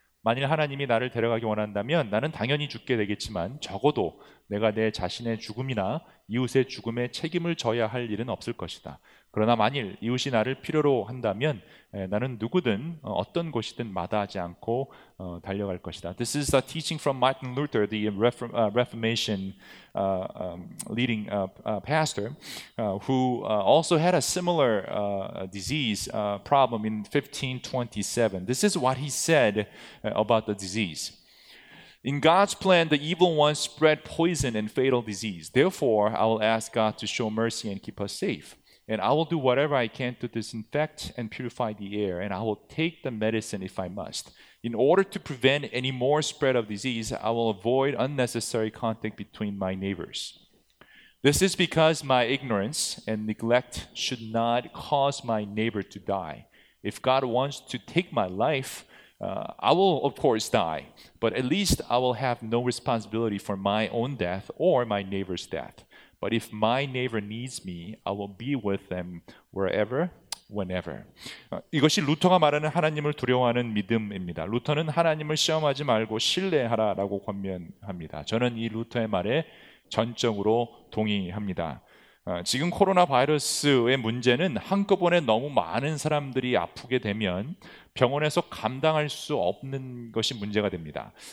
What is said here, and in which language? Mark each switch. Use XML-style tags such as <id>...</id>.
<ko>만일 하나님이 나를 데려가기 원한다면 나는 당연히 죽게 되겠지만 적어도 내가 내 자신의 죽음이나 이웃의 죽음에 책임을 져야 할 일은 없을 것이다. 그러나 만일 이웃이 나를 필요로 한다면 나는 누구든 어떤 곳이든 마다하지 않고 달려갈 것이다.</ko> <en>This is a teaching from Martin Luther, the Reformation leading pastor, who also had a similar disease problem in 1527. This is what he said about the disease. In God's plan, the evil one spread poison and fatal disease. Therefore, I will ask God to show mercy and keep us safe. And I will do whatever I can to disinfect and purify the air, and I will take the medicine if I must. In order to prevent any more spread of disease, I will avoid unnecessary contact between my neighbors. This is because my ignorance and neglect should not cause my neighbor to die. If God wants to take my life, I will, of course, die, but at least I will have no responsibility for my own death or my neighbor's death. But if my neighbor needs me, I will be with them wherever, whenever.</en> <ko>이것이 루터가 말하는 하나님을 두려워하는 믿음입니다. 루터는 하나님을 시험하지 말고 신뢰하라라고 권면합니다. 저는 이 루터의 말에 전적으로 동의합니다. 지금 코로나 바이러스의 문제는 한꺼번에 너무 많은 사람들이 아프게 되면 병원에서 감당할 수 없는 것이 문제가 됩니다.</ko>